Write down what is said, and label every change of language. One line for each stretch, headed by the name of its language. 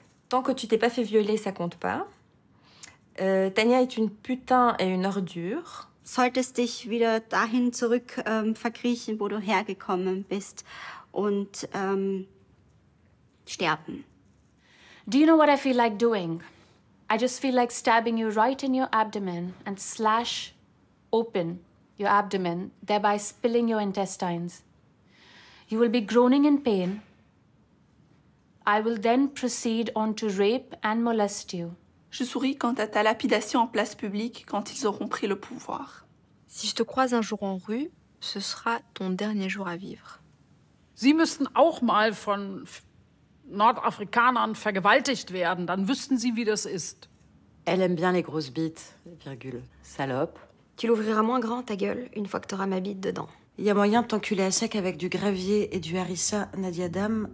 French: Tant que tu t'es pas fait violer, ça compte pas. Tania est une putain et une ordure.
German: Solltest dich wieder dahin zurück verkriechen, wo du hergekommen bist und sterben.
English: Do you know what I feel like doing? I just feel like stabbing you right in your abdomen and slash open your abdomen, thereby spilling your intestines. You will be groaning in pain. I will then proceed on to rape and molest you.
French: Je souris quant à ta lapidation en place publique quand ils auront pris le pouvoir. Si je te croise un jour en rue, ce sera ton dernier jour à vivre.
German: Sie müssen auch mal von Nordafrikanern vergewaltigt werden, dann wüssten sie, wie das ist.
French: Elle aime bien les grosses bites, virgule, salope. Tu l'ouvriras moins grand ta gueule une fois que t'auras ma bite dedans. Il y a moyen de t'enculer à sec avec du gravier et du harissa, Nadia Dame.